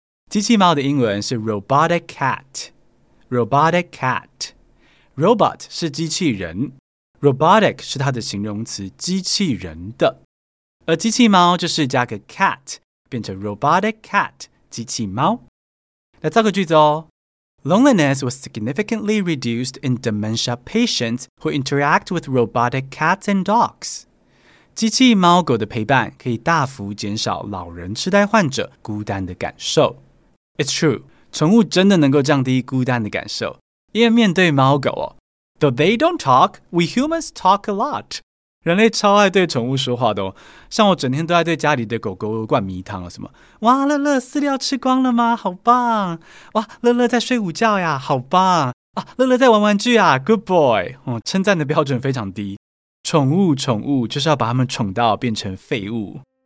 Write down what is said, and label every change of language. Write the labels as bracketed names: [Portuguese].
[Chinese] 机器猫的英文是 robotic cat， robotic cat， robot 是机器人， robotic 是它的形容词，机器人的。而机器猫就是加个 cat， 变成 robotic cat， 机器猫。来造个句子哦。 [English] Loneliness was significantly reduced in dementia patients who interact with robotic cats and dogs. [Chinese] 机器猫狗的陪伴可以大幅减少老人痴呆患者孤单的感受。 [English] It's true, [Chinese] 宠物真的能够降低孤单的感受。因为面对猫狗哦 [English] Though they don't talk, we humans talk a lot. [Chinese] 人类超爱对宠物说话的哦。像我整天都在对家里的狗狗灌迷汤了什么。哇乐乐饲料吃光了吗好棒。哇乐乐在睡午觉呀好棒。啊乐乐在玩玩具啊 [English] good boy.、 [Chinese] 称赞的标准非常低。宠物就是要把它们宠到变成废物。